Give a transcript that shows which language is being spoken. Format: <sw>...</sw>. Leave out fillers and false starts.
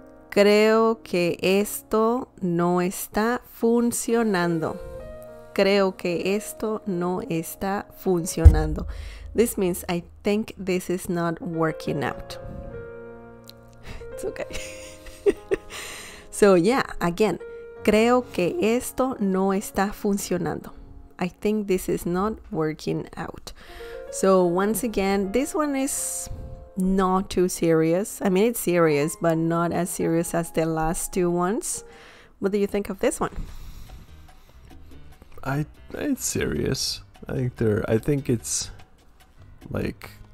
<es>Creo que esto no está funcionando. Creo que esto no está funcionando.</es> <en>This means I think this is not working out. It's okay. So yeah, again,</en> <es>creo que esto no está funcionando.</es> <en>I think this is not working out. So once again, this one is not too serious. I mean, it's serious, but not as serious as the last 2 ones. What do you think of this one? It's serious. I think it's like,</en>